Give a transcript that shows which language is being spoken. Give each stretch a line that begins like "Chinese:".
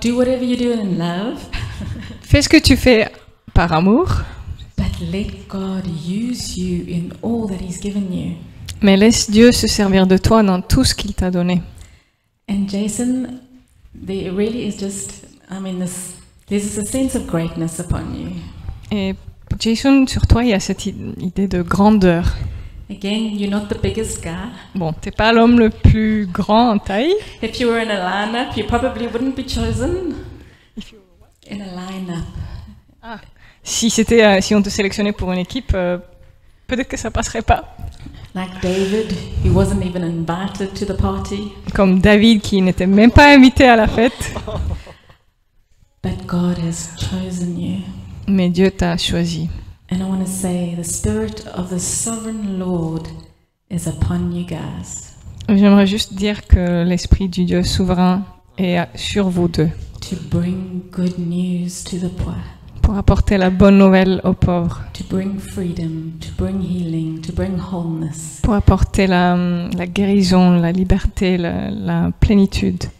English: Do whatever you do in love.
French: Fais ce que tu fais par amour.
English: But let God use you in all that He's given you.
French: Mais laisse Dieu se servir de toi dans tout ce qu'il t'a donné.
English: And Jason, there really is just, I mean, this, this is a sense of greatness upon you.
French: Et Jason, sur toi, il y a cette idée de grandeur.
English: Again, you're not the biggest guy.
French: Bon, t'es pas l'homme le plus grand en taille.
English: If you were in a lineup, you probably wouldn't be chosen. If you were what? In a lineup.
French: Ah, si c'était si on te sélectionnait pour une équipe, peut-être que ça passerait pas.
English: Like David, he wasn't even invited to the party.
French: Comme David qui n'était même pas invité à la fête.
English: But God has chosen you.
French: Mais Dieu t'a choisi.
English: And I want to say the spirit of the sovereign Lord is upon you guys.
French: J'aimerais juste dire que l'esprit du Dieu souverain est sur vous deux.
English: To bring good news to the poor.
French: Pour apporter la bonne nouvelle aux pauvres.
English: To bring freedom, to bring healing, to bring wholeness.
French: Pour apporter la guérison, la liberté, la plénitude.